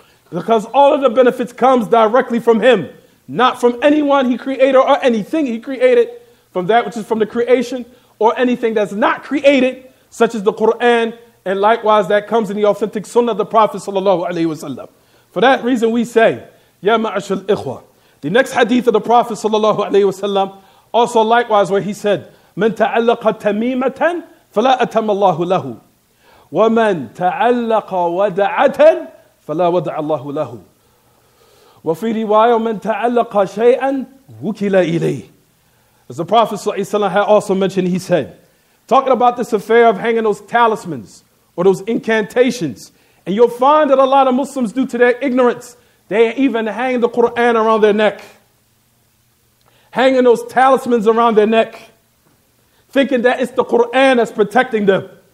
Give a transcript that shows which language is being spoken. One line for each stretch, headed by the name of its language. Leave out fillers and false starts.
English: Because all of the benefits comes directly from Him, not from anyone He created or anything He created, from that which is from the creation, or anything that's not created, such as the Qur'an, and likewise that comes in the authentic sunnah of the Prophet sallallahu alayhi wa sallam. For that reason we say,
Arabic: ya ma'ashal ikhwah.
English: The next hadith of the Prophet sallallahu alayhi wa sallam, also likewise where he said,
Arabic: من تعلق تميمة فلا أتم الله له ومن تعلق ودعة فلا ودع الله له وفي رواية من تعلق شيئا وكل إليه.
English: As the Prophet sallallahu alayhi wa sallam had also mentioned, he said, talking about this affair of hanging those talismans or those incantations, and you'll find that a lot of Muslims, due to their ignorance, they even hang the Qur'an around their neck. Hanging those talismans around their neck, thinking that it's the Qur'an that's protecting them.